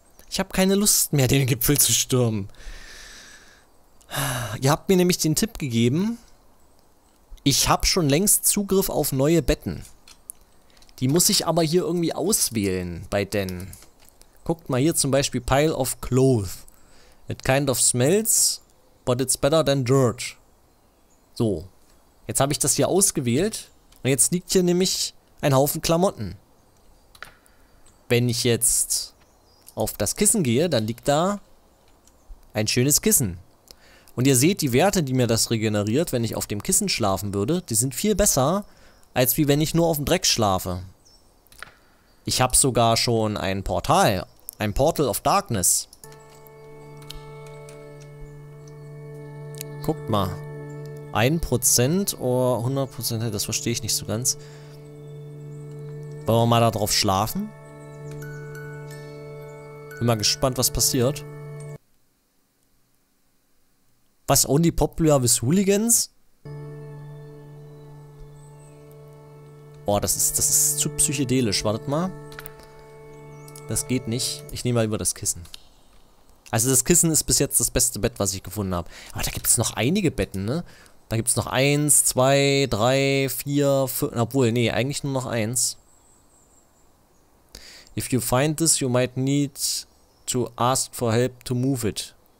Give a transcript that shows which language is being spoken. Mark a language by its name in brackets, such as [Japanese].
[German] Ich habe keine Lust mehr, den Gipfel zu stürmen. Ihr habt mir nämlich den Tipp gegeben. Ich habe schon längst Zugriff auf neue Betten. Die muss ich aber hier irgendwie auswählen bei denen. Guckt mal hier zum Beispiel Pile of Clothes. [English] It kind of smells, but it's better than dirt. [German] So, jetzt habe ich das hier ausgewählt und jetzt liegt hier nämlich ein Haufen Klamotten. Wenn ich jetzt auf das Kissen gehe, dann liegt da ein schönes Kissen. Und ihr seht, die Werte, die mir das regeneriert, wenn ich auf dem Kissen schlafen würde, die sind viel besser, als wie wenn ich nur auf dem Dreck schlafe. Ich habe sogar schon ein Portal, ein Portal of Darkness. Guckt mal. 1% oder 100%, das verstehe ich nicht so ganz. Wollen wir mal da drauf schlafen? Bin mal gespannt, was passiert. [English] Was, only popular with hooligans? [German] Boah, das ist zu psychedelisch, wartet mal. Das geht nicht. Ich nehme mal über das Kissen. Also das Kissen ist bis jetzt das beste Bett, was ich gefunden habe. Aber da gibt es noch einige Betten, ne? Da gibt es noch eins, zwei, drei, vier, fünf. Obwohl, nee, eigentlich nur noch eins. [English] If you find this, you might need to ask for help to move it.